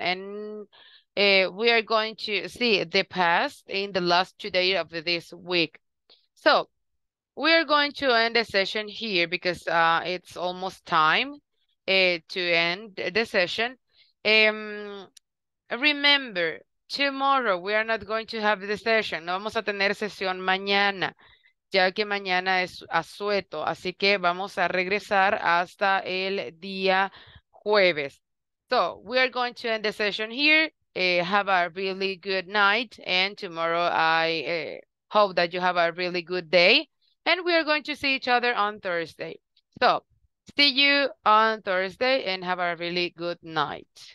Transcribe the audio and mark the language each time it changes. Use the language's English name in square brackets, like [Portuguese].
[English] And we are going to see the past in the last 2 days of this week. So we are going to end the session here because it's almost time to end the session. Remember, tomorrow we are not going to have the session. [Spanish] No vamos a tener sesión mañana, ya que mañana es asueto. Así que vamos a regresar hasta el día jueves. [English] So, we are going to end the session here. Have a really good night. And tomorrow I hope that you have a really good day. And we are going to see each other on Thursday. So, see you on Thursday and have a really good night.